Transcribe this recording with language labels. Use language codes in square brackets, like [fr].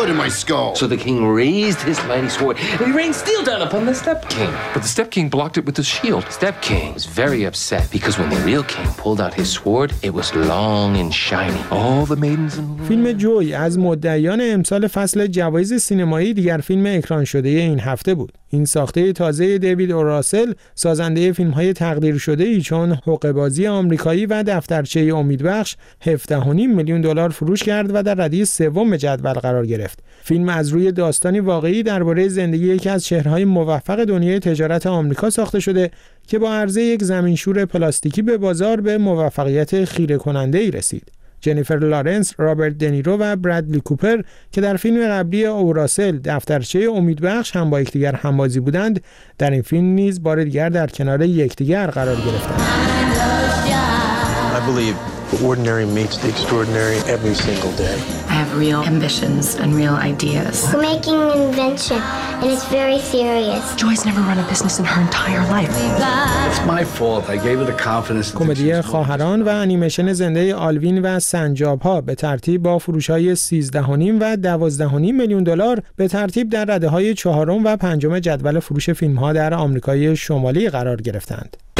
[en] So the king raised his mighty sword and he rained steel down upon the step king. But the step king blocked it with his shield. Step king was very upset because when the real king pulled out his sword it was long and shiny. All the maidens in the [fa] فیلم جوی از مدعیان امسال فصل جوایز سینمایی دیگر فیلم اکران شده این هفته بود. این ساخته تازه دیوید اوراسل سازنده فیلم های تقدیر شده ای چون حقه‌بازی آمریکایی و دفترچه امیدبخش 17.5 میلیون دلار فروش کرد و در رده سوم جدول قرار گرفت. فیلم از روی داستانی واقعی درباره زندگی یکی از چهره‌های موفق دنیای تجارت آمریکا ساخته شده که با عرضه یک زمینشور پلاستیکی به بازار به موفقیت خیره کننده ای رسید. جنیفر لارنس، رابرت دنیرو و برادلی کوپر که در فیلم قبلی اوراسل دفترچه امیدبخش هم با یکدیگر همبازی بودند، در این فیلم نیز بار دیگر در کنار یکدیگر قرار گرفتند. [en] I believe the ordinary meets the extraordinary every single day. I have real ambitions and real ideas. We're making an invention and it's very serious. Joy's never run a business in her entire life. It's my fault. I gave her the confidence. [fa] کمدی خواهران و انیمیشن زنده آلوین و سنجاب‌ها به ترتیب با فروش‌های 13.5 و 12.5 میلیون دلار به ترتیب در رده‌های 4 و 5 جدول فروش فیلم‌ها در آمریکای شمالی قرار گرفتند.